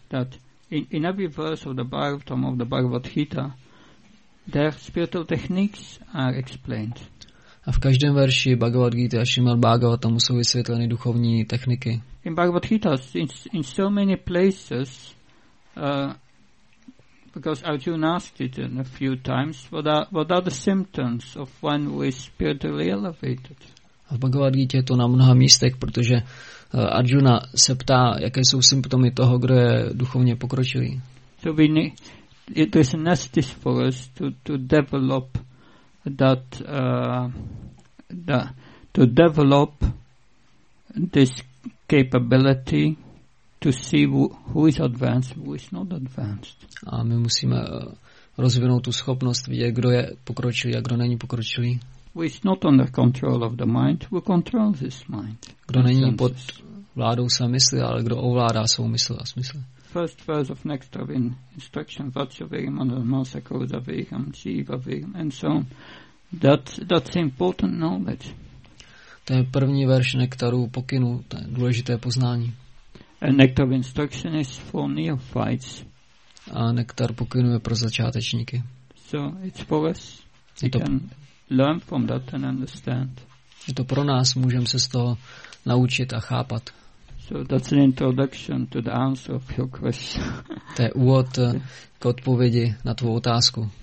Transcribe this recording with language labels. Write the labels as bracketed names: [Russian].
[English] That in every verse of the Bhagavad Gita, their spiritual techniques are explained. [Czech] A v každém verši Bhagavad Gita a Srimad Bhagavatam jsou vysvětleny duchovní techniky. [English] In Bhagavad Gita, in so many places, because Arjuna asked it a few times, what are the symptoms of when we spiritually elevated? [Czech] A v Bhagavad Gita je to na mnoha místech, protože Arjuna se ptá, jaké jsou symptomy toho, kdo je duchovně pokročilý. [English] So we need, it is necessary for us to develop that to develop this capability to see who is advanced, who is not advanced. [Czech] A my musíme rozvinout tu schopnost vidět, kdo je pokročilý a kdo není pokročilý. [English] Who is not under control of the mind, who controls his mind. [Czech] Kdo není pod vládou své mysli, ale kdo ovládá svou mysl a smysl. [English] First verse of next of in instruction, Vatsavirim, Anamasakodavirim, Jivavirim, and so on. That's important knowledge. [Czech] To je první verš nektaru pokynu, to je důležité poznání. [English] A nectar of instruction is for neophytes. [Czech] A nektar pokynu je pro začátečníky. [English] So it's for us. We can learn from that and understand. [Czech] Je to pro nás, můžeme se z toho naučit a chápat. [English] So that's an introduction to the answer of your question. [Czech] To je úvod k odpovědi na tvou otázku.